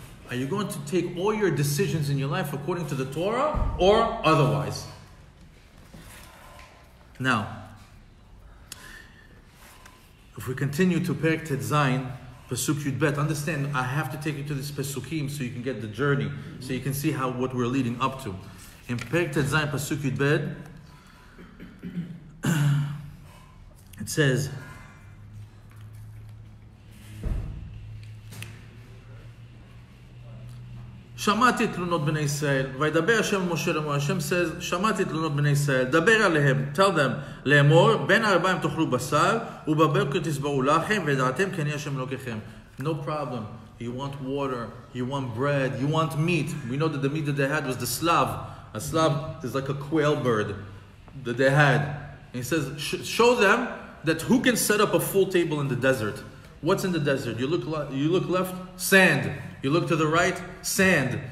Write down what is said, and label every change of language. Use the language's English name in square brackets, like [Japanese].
[English] Are you going to take all your decisions in your life according to the Torah or otherwise? Now, if we continue to Perek Tetzayin, Pesuk Yud Bet, understand, I have to take you to this Pesukim so you can get the journey, so you can see how what we're leading up to. In Perek Tetzayin, Pesuk Yud Bet, it says, [Hebrew] שמעתי תלונות בני ישראל, וידבר השם משה לאמור, השם [English] says, [Hebrew] שמעתי תלונות בני ישראל, דבר עליהם, [English] tell them, [Hebrew] לאמור, בין הערביים תאכלו בשר, ובבוקר תשבעו לחם, ודעתם כי אני השם אלוקיכם. [English] No problem. You want water, you want bread, you want meat. We know that the meat that they had was the slav. A slav is like a quail bird that they had. And he says, show them that who can set up a full table in the desert. What's in the desert? You look left, sand. You look to the right, sand.